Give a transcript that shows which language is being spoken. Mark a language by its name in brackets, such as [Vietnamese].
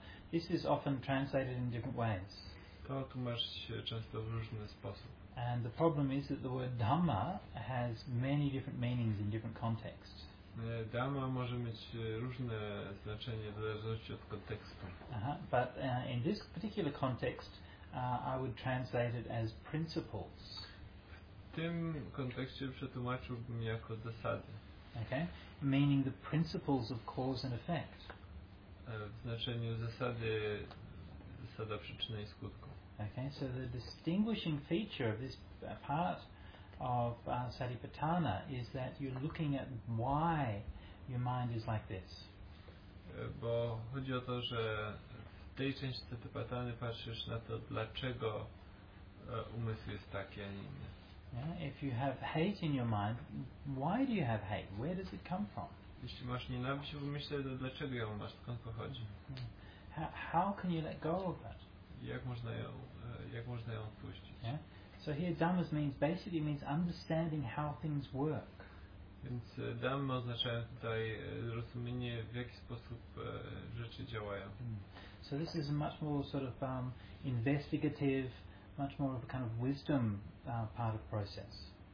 [English] This is often translated in different ways. [Polish] To tłumaczy się często w różny sposób. [English] And the problem is that the word dhamma has many different meanings in different contexts. [Polish] Dhamma może mieć różne znaczenie w zależności od kontekstu. [English] In this particular context, I would translate it as principles. [Polish] W tym kontekście przetłumaczyłbym jako zasady. [English] Okay, meaning the principles of cause and effect. [Polish] W znaczeniu zasady, zasada przyczyny i skutku. [English] Okay, so the distinguishing feature of this part of Satipatthana is that you're looking at why your mind is like this. [Polish] Bo chodzi o to, że w tej części Satipatthany patrzysz na to, dlaczego umysł jest taki, a nie inny. [English] Yeah, if you have hate in your mind, why do you have hate? Where does it come from? [Polish] Jeśli masz nienawiść, to myślę, to dlaczego ją masz? Skąd pochodzi? [English] How can you let go of that? [Polish] Jak można ją odpuścić? [English] Yeah? So here dhammas means understanding how things work. [Polish] Więc dhamma oznacza tutaj zrozumienie, w jaki sposób rzeczy działają. Mm. [English] So this is a much more sort of investigative, much more of a kind of wisdom part of process.